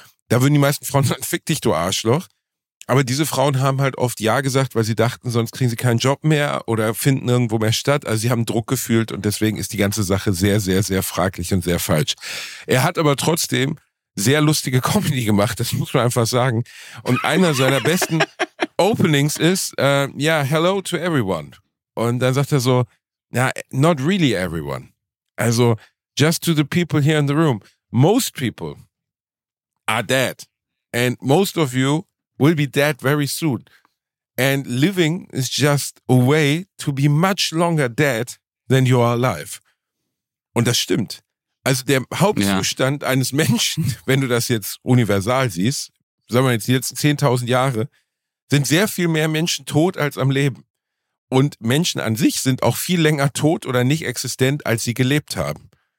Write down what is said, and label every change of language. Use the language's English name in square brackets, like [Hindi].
[German] Da würden die meisten Frauen sagen, fick dich, du Arschloch. Aber diese Frauen haben halt oft Ja gesagt, weil sie dachten, sonst kriegen sie keinen Job mehr oder finden irgendwo mehr statt. Also sie haben Druck gefühlt und deswegen ist die ganze Sache sehr, sehr, sehr fraglich und sehr falsch. Er hat aber trotzdem sehr lustige Comedy gemacht, das muss man einfach sagen. Und einer seiner besten Openings ist, ja, [English] hello to everyone. [German] Und dann sagt er so, ja, [English] not really everyone. Also, just to the people here in the room. Most people are dead. And most of you will be dead very soon. And living is just a way to be much longer dead than you are alive. [German] Und das stimmt. Also der Hauptzustand eines Menschen, wenn du das jetzt universal siehst, sagen wir jetzt die letzten 10.000 Jahre, sind sehr viel mehr Menschen tot als am Leben. Und Menschen an sich sind auch viel länger tot oder nicht existent, als sie gelebt haben.